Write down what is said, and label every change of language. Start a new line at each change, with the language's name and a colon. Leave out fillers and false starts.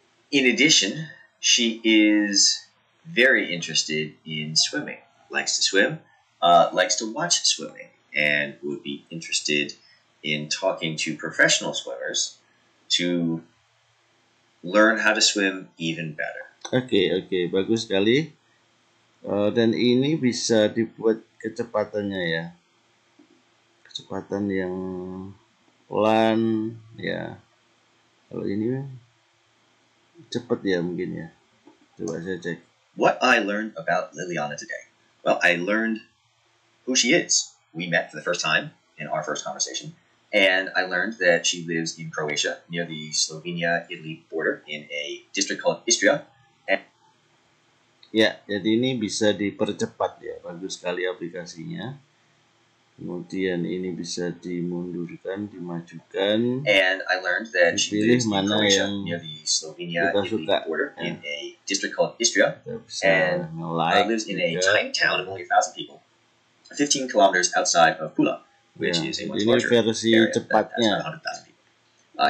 English: In addition, she is very interested in swimming, likes to swim, likes to watch swimming, and would be interested in talking to professional swimmers to learn how to swim even better.
Indonesian: Oke, bagus sekali. Dan ini bisa dibuat kecepatannya, ya. Kecepatan yang pelan, ya. Kalau ini cepat, ya, mungkin, ya. Coba saya cek.
English: What I learned about Liliana today. Well, I learned who she is. We met for the first time in our first conversation. And I learned that she lives in Croatia near the Slovenia-Italy border in a district called Istria.
Indonesian: Ya, jadi ini bisa dipercepat, ya. Bagus sekali aplikasinya. Kemudian ini bisa dimundurkan, dimajukan.
English: And I learned that she lives in Croatia near the Slovenia-Italy border in a district called Istria. And lives in a tiny town of only 1,000 people, 15 kilometers outside of Pula, which is a much larger area that has about 100,000 people.